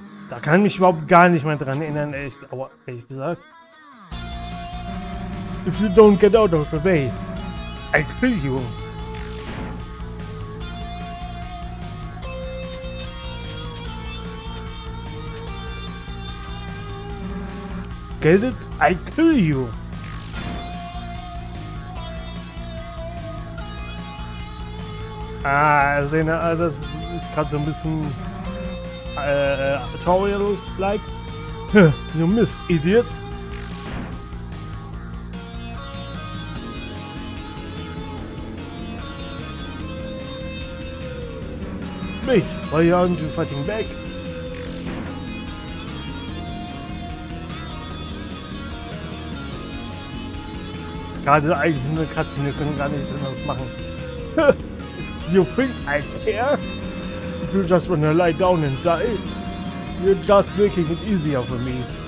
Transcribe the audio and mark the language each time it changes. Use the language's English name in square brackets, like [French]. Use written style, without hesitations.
[German] Da kann ich mich überhaupt gar nicht mehr dran erinnern, ehrlich gesagt. [English] If you don't get out of the way, I kill you. Get it? I kill you. [German] Ah, Sena, das ist gerade so ein bisschen Toriel-like. [English] You missed, idiot. Mate, why aren't you fighting back? [German] Das ist gerade eigentlich nur eine Katze, wir können gar nichts anderes machen. [English] You think I care? If you just wanna lie down and die, you're just making it easier for me.